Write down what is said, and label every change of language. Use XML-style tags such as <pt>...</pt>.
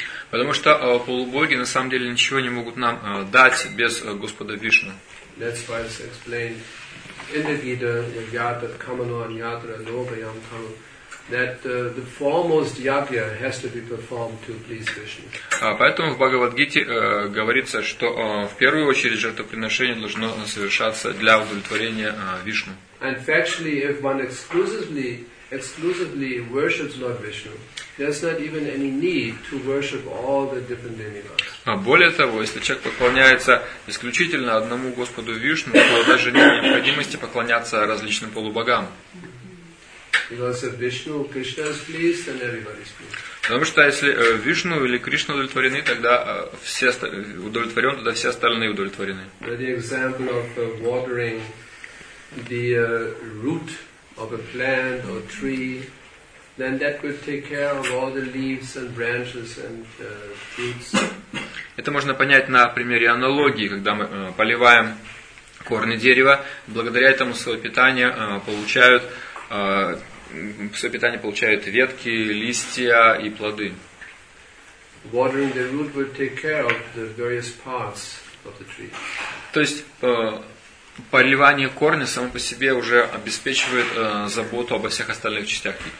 <ru>Потому что полубоги на самом деле ничего не могут нам дать без Господа Вишну.</ru> <en>That's why it's explained in the Gita, Yajna, Kamano, Anyatra, Lobayam, Kamu, that the foremost yajna has to be performed to please Vishnu.</en> <ru>Поэтому в Бхагавад-гите говорится, что в первую очередь жертвоприношение должно совершаться для удовлетворения Вишну.</ru> <en>And factually, if one exclusively worships Lord Vishnu, there's not even any need to worship all the different demigods.</en> <ru>Более того, если человек поклоняется исключительно одному Господу Вишну, то даже нет необходимости поклоняться различным полубогам.</ru> <en>Because if Vishnu, Krishna is pleased, then everybody's pleased.</en> <ru>Потому что если Вишну или Кришна удовлетворены, тогда все удовлетворены, тогда все остальные удовлетворены.</ru> <en>The example of watering the root of a plant or tree, then that could take care of all the leaves and branches and fruits.</en> <ru>Это можно понять на примере аналогии, когда мы поливаем корни дерева, благодаря этому свое питание получают ветки, листья и плоды.</ru> <en>Watering the root would take care of the various parts of the tree.</en> <ru>То есть поливание корня само по себе уже обеспечивает заботу обо всех остальных частях</ru>